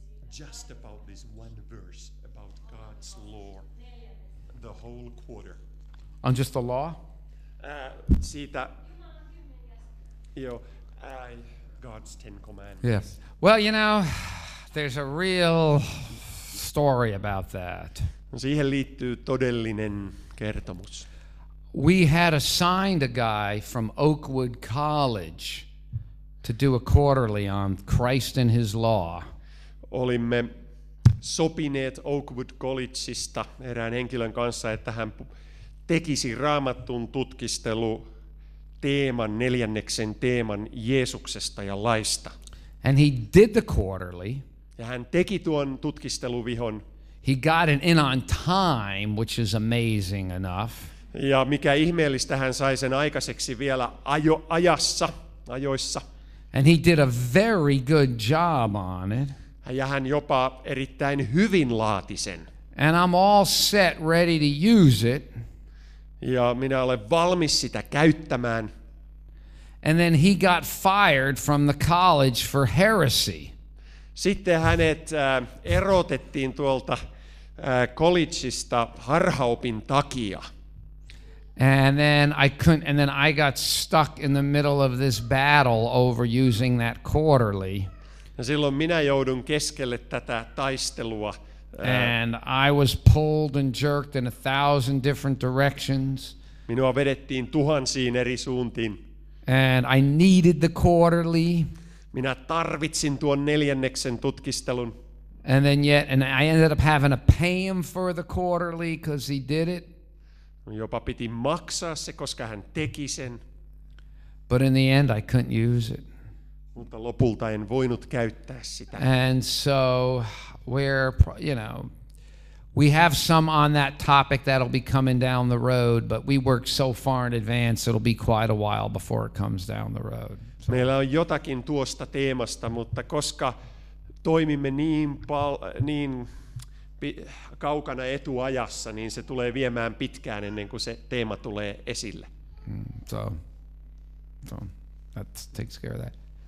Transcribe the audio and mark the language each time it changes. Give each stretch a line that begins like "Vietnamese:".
English: Just about this one verse about God's law, the whole quarter. On just the law?
Finnish: Siitä, joo,
English: God's Ten Commandments. Yes. Well, you know, there's a real story about that.
Finnish: Siihen liittyy todellinen kertomus.
English: We had assigned a guy from Oakwood College to do a quarterly on Christ and His Law.
Finnish: Olimme sopineet Oakwood Collegeista erään henkilön kanssa, että hän tekisi Raamatun tutkistelu teeman neljänneksen teeman Jeesuksesta ja laista.
English: And he did the quarterly.
Finnish: Ja hän teki tuon tutkisteluvihon.
English: He got it in on time, which is amazing enough.
Finnish: Ja mikä ihmeellistä, hän sai sen aikaiseksi vielä ajoissa.
English: And he did a very good job on it.
Finnish: Ja hän jopa erittäin hyvin laati sen.
English: And I'm all set, ready to use it.
Finnish: Ja minä olen valmis sitä käyttämään.
English: And then he got fired from the college for heresy.
Finnish: Sitten hänet erotettiin tuolta collegeista harhaopin takia.
English: And then I got stuck in the middle of this battle over using that quarterly.
Finnish: Ja silloin minä joudun keskelle tätä taistelua.
English: And I was pulled and jerked in a thousand different directions.
Finnish: Minua vedettiin tuhansiin eri suuntiin.
English: And I needed the quarterly.
Finnish: Minä tarvitsin tuon neljänneksen tutkistelun.
English: And I ended up having to pay him for the quarterly because he did it.
Finnish: Jopa piti maksaa se, koska hän teki sen.
English: But in the end I couldn't use it.
Finnish: Mutta lopulta en voinut käyttää sitä.
English: And so we're, you know, we have some on that topic that'll be coming down the road, but we work so far in advance it'll be quite a while before it comes down the road. So.
Finnish: Meillä on jotakin tuosta teemasta, mutta koska toimimme niin kaukana etuajassa, niin se tulee viemään pitkään ennen kuin se teema tulee esille.
English: So that takes care of that.